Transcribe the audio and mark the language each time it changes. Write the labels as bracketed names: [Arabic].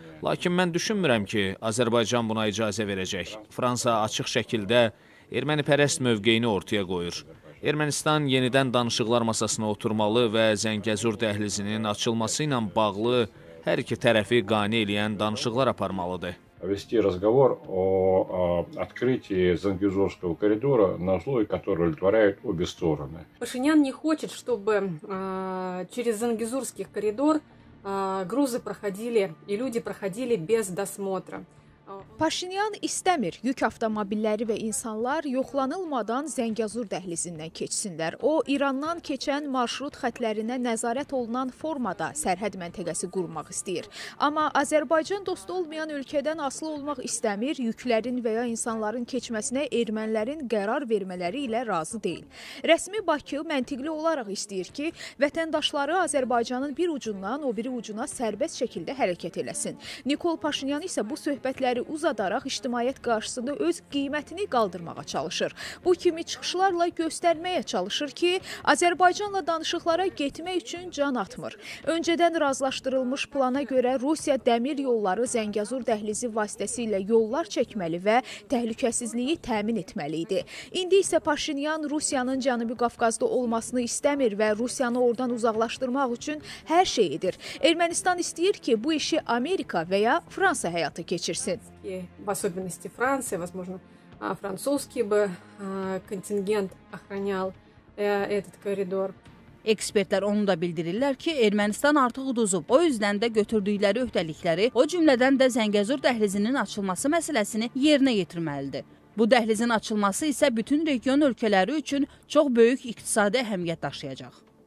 [Azerbaijani] Lakin mən düşünmürəm ki, Azərbaycan buna icazə verəcək. Fransa açıq şəkildə ermənipərəst mövqeyini ortaya qoyur. Ermənistan yenidən danışıqlar masasına oturmalı və Zəngəzur dəhlizinin açılması ilə bağlı hər iki tərəfi qani eləyən danışıqlar aparmalıdır. [Russian] Вести разговор о открытии Зангезурского коридора на условиях, которые удовлетворяют обе стороны. Пашинян не хочет, чтобы через Зангезурский коридор грузы проходили и люди проходили без досмотра. [Azerbaijani] Paşinyan istəmir, yük avtomobilləri və insanlar yoxlanılmadan Zəngəzur dəhlizindən keçsinlər. O, İrandan keçən marşrut xətlərinə nəzarət olunan formada sərhəd məntəqəsi qurmaq istəyir. Amma Azərbaycan dostu olmayan ölkədən asılı olmaq istəmir, yüklərin və ya insanların keçməsinə ermənilərin qərar vermələri ilə razı deyil. Rəsmi Bakı məntiqli olaraq istəyir ki, vətəndaşları Azərbaycanın bir ucundan o biri ucuna sərbəst şəkildə hərəkət eləsin. Nikol Paşinyan isə bu söhbətlə uzadaraq ictimaiyyət qarşısında öz qiymətini qaldırmağa çalışır. Bu kimi çıxışlarla göstərməyə çalışır ki, Azərbaycanla danışıqlara getmək üçün can atmır. Öncədən razılaşdırılmış plana görə Rusiya dəmir yolları Zəngəzur dəhlizi vasitəsilə yollar çəkməli və təhlükəsizliyi təmin etməli idi. İndi isə Paşinyan Rusiyanın Cənubi Qafqazda olmasını istəmir və Rusiyanı oradan uzaqlaşdırmaq üçün hər şey edir. Ermənistan istəyir ki, bu işi Amerika və ya Fransa həyata keçirsin. [Russian] И в особенности Франции, возможно, французский бы контингент охранял этот коридор. [Azerbaijani] Ekspertlər onu da bildirirlər ki, Ermənistan artıq uduzub, o yüzdən də götürdükləri öhdəlikləri, o cümlədən də Zəngəzur dəhlizinin açılması məsələsini yerinə yetirməlidir. Bu dəhlizin açılması isə bütün region ölkələri üçün çox böyük iqtisadi əhəmiyyət daşıyacaq.